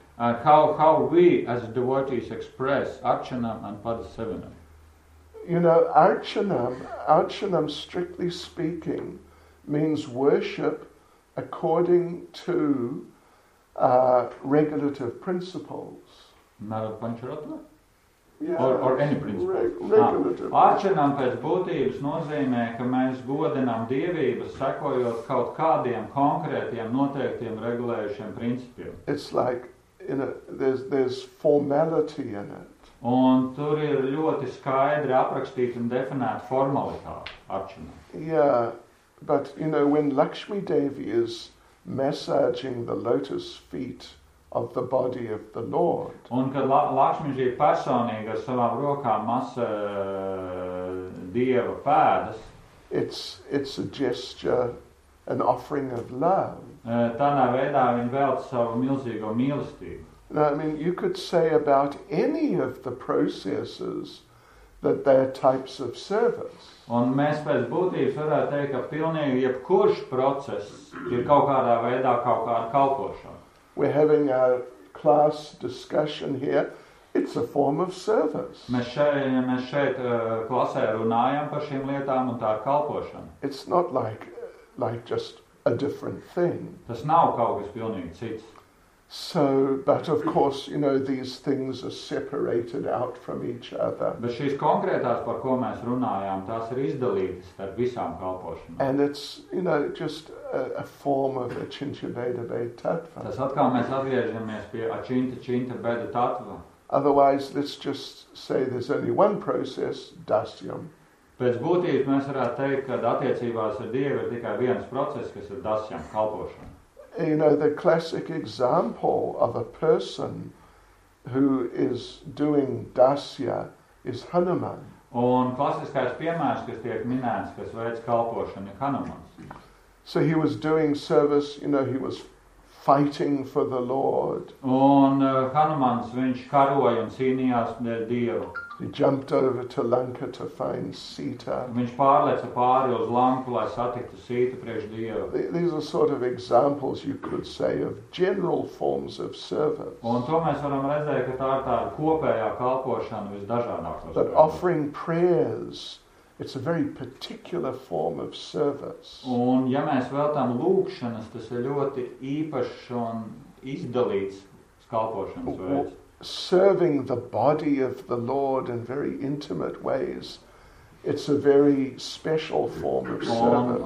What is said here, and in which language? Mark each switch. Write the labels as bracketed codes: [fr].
[en] How we as devotees express archanam and padasevanam? You know, archanam strictly speaking means worship according to regulative principles. Narad Pancharatna? Yeah, or any principle. [lv] Archanam pēc būtības nozīmē, ka mēs godinām dievības sekojot kaut kādiem konkrētiem noteiktiem regulējušiem principiem. [en] It's like in a, there's formality in it. [lv] Un tur ir ļoti skaidri aprakstīta un definēta formalitāte archanam. [en] Yeah, but you know when Lakshmi Devi is massaging the lotus feet of the body of the Lord. [lv] Un kad Lakšmiži personīgi ar savām rokām masē Dieva pēdas, [en] it's a gesture, an offering of love. [lv] Tādā veidā viņi velt savu milzīgo mīlestību. [en] Now, I mean, you could say about any of the processes that they're types of service. [lv] Un mēs pēc būtības varētu teikt, ka pilnīgi jebkurš process ir kaut kādā veidā kaut kāda kalpošana. [en] We're having a class discussion here. It's a form of service. [lv] Mēs šeit klasē runājam par šīm lietām un tā ir kalpošana. [en] It's not like just a different thing. [lv] Tas nav kaut kas pilnīgi cits. [en] So, but of course, you know, these things are separated out from each other. [lv] Bet šīs konkrētās, par ko mēs runājām, tās ir izdalītas starp visām kalpošanām. [en] And it's, you know, just a form of a Chinchabedabe tattva. [lv] Tas atkal mēs atgriežamies pie Chinchabedabe tattva. [en] Otherwise, let's just say there's only one process, dasyam. [lv] Pēc būtības mēs varētu teikt, ka attiecībās ar Dievu ir tikai viens process, kas ir dasyam, kalpošana. [en] You know, the classic example of a person who is doing dasya is Hanuman. [lv] Un klasiskais piemērs, kas tiek minēts, kas veids kalpošanu, ir Hanumans. [en] So he was doing service, you know, he was fighting for the Lord. [lv] Un Hanumans, viņš karoja un cīnījās par Dievu. [en] He jumped over to Lanka to find Sita. [lv] Viņš pārlēca pāri uz Lanku, lai satiktu Sītu priekš Dievu. [en] These are sort of examples, you could say, of general forms of service. [lv] Un to mēs varam redzēt, ka tā ir tā kopējā kalpošana visdažādākos. [en] But offering prayers, it's a very particular form of service. [lv] Un ja mēs veltām lūkšanas, tas ir ļoti īpašs un izdalīts kalpošanas veids. [en] Serving the body of the Lord in very intimate ways, it's a very special form of service.